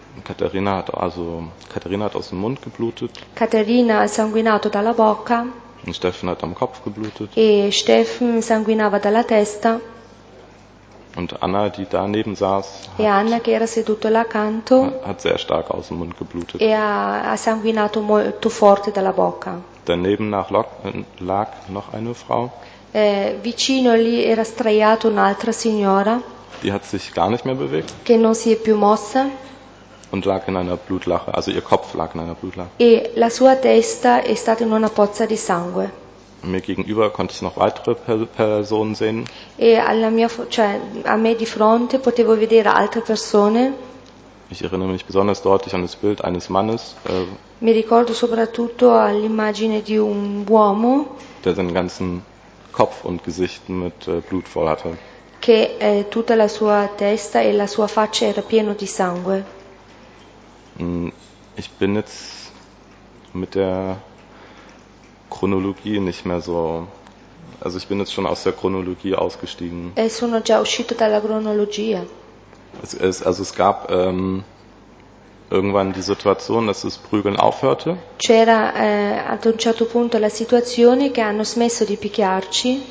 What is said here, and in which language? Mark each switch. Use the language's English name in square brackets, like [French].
[German] Katharina hat aus dem Mund geblutet. [Italian] Katharina ha sanguinato dalla bocca. [German] Und Steffen hat am Kopf geblutet. [Italian] E Steffen sanguinava dalla testa. [German] Und Anna, die daneben saß, [Italian] Anna, che era seduta là accanto, [German] hat sehr stark aus dem Mund geblutet. [Italian] E ha sanguinato molto forte dalla bocca. [German] Daneben lag noch eine Frau. [Italian] Vicino lì era straiata un'altra signora. [German] Die hat sich gar nicht mehr bewegt. [Italian] Che non si è più mossa. [German] Und lag in einer Blutlache, also ihr Kopf lag in einer Blutlache. [Italian] E la sua testa è stata in una pozza di sangue. [German] Mir gegenüber konnte ich noch weitere Personen sehen. [Italian] E alla mia, cioè, a me di fronte potevo vedere altre persone. [German] Ich erinnere mich besonders deutlich an das Bild eines Mannes. [Italian] Mi ricordo soprattutto all'immagine di un uomo. [German] Der seinen ganzen Kopf und Gesicht mit Blut voll hatte. [Italian] Che tutta la sua testa e la sua faccia era pieno di sangue. [German] Ich bin jetzt mit der Chronologie nicht mehr so. Also ich bin jetzt schon aus der Chronologie ausgestiegen. [Italian] Sono già uscito dalla cronologia. [German] Es gab irgendwann die Situation, dass das Prügeln aufhörte. [Italian] C'era ad un certo punto la situazione che hanno smesso di picchiarci.